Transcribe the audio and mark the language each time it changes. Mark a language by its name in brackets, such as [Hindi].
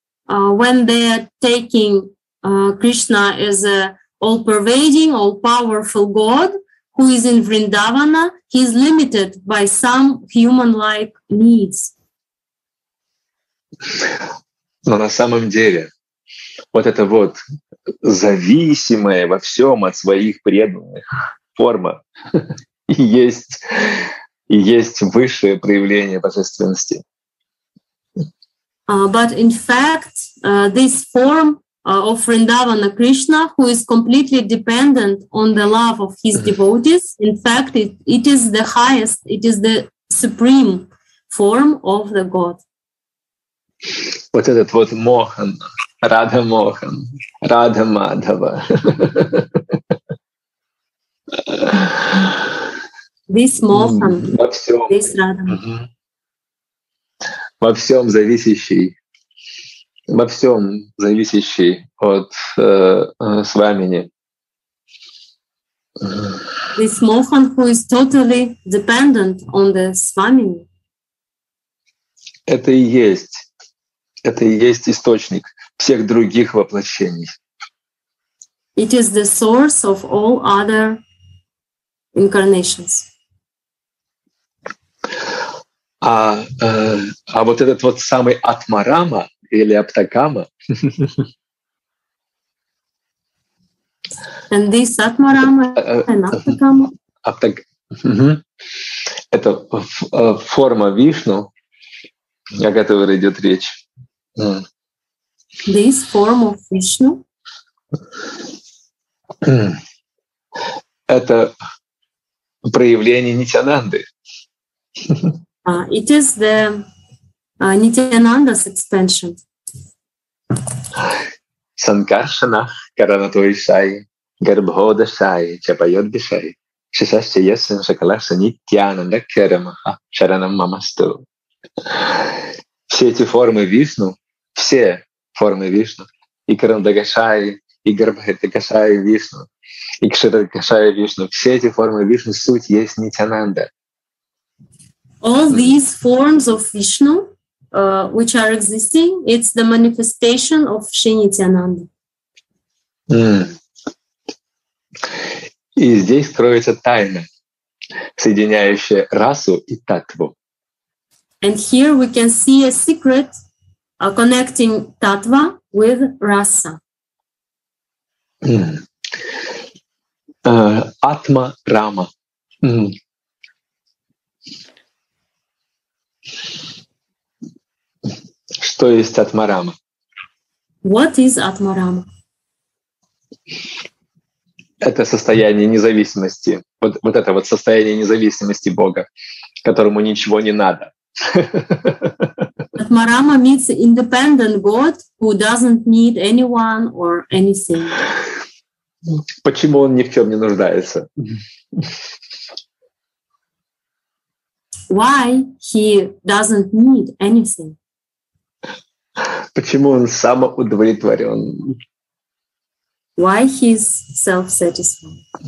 [English] When they are taking Krishna as an all-pervading, all-powerful God who is in Vrindavana, he is limited by some human-like needs. [Russian] Но на самом деле, вот это вот зависимое во всем от своих преданных форма есть высшее проявление божественности. [English] But in fact, this form of Vrindavana Krishna, who is completely dependent on the love of his devotees, in fact, it is the highest, it is the supreme form of the God. [Russian] Вот этот вот Мохан, Радха Мохан, Радха Мадхава. [English] This Мохан, this Радха. [Russian] Во всем зависящий от свамини. [English] This Mohan who is totally dependent on the свамини. [Russian] Это и есть источник всех других воплощений. [English] It is the source of all other incarnations. [Russian] А вот этот вот самый Атмарама или Аптакама. [English] And this Атмарама and Аптакама. [Russian] Это форма Вишну, о которой идет речь. [English] This form of Vishnu. [Russian] Это проявление Нитянанды. [English] It is the Nityananda's expansion. [Sanskrit] Sankarsana karanatoishai garbhodashai chapayodbishai shishasya yasya shakalasa nityananda karamaha charanam mamastu. [Russian] Все эти формы Вишну, все формы Вишну, и карандагашай, и гарбхадагашай Вишну, и кширагашай Вишну, все эти формы Вишну, суть есть Нитянанда. [English] All these forms of Vishnu, which are existing, it's the manifestation of Shri Nityananda. [Russian] И здесь кроется тайна, соединяющая расу и татву. [English] And here we can see a secret connecting татва with раса. [Russian] Атма Рама. Что есть Атмарама? [English] What is Атмарама? [Russian] Это состояние независимости. Вот это вот состояние независимости Бога, которому ничего не надо. [English] Атмарама means independent God who doesn't need anyone or anything. [Russian] Почему он ни в чем не нуждается? [English] Why he doesn't need anything? [Russian] Почему он самоудовлетворен? [English] Why he is self-satisfied?